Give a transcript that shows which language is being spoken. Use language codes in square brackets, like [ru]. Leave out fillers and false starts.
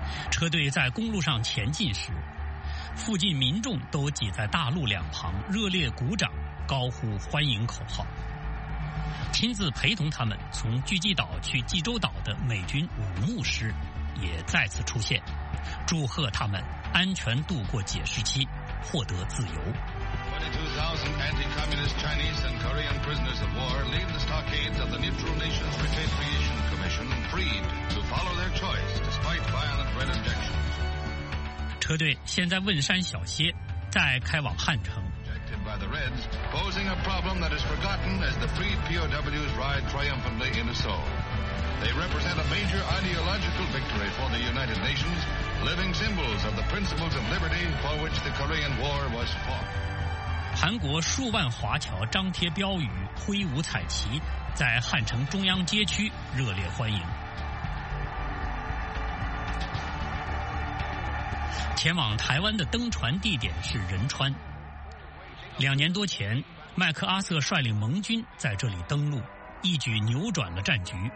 [zh] 车队在公路上前进时，附近民众都挤在大路两旁，热烈鼓掌，高呼欢迎口号。亲自陪同他们从巨济岛去济州岛的美军五牧师也再次出现，祝贺他们安全度过解释期，获得自由。 [en] 22,000 anti-communist Chinese and Korean prisoners of war leave the stockades of the Neutral Nations Repatriation Commission freed to follow their choice despite violent red objections. [zh] 车队现在汶山小歇，再开往汉城。 [en] Rejected by the Reds, posing a problem that is forgotten as the freed POWs ride triumphantly into Seoul. They represent a major ideological victory for the United Nations, living symbols of the principles of liberty for which the Korean War was fought. [zh] 韩国数万华侨张贴标语，挥舞彩旗，在汉城中央街区热烈欢迎。前往台湾的登船地点是仁川。2年多前，麦克阿瑟率领盟军在这里登陆，一举扭转了战局。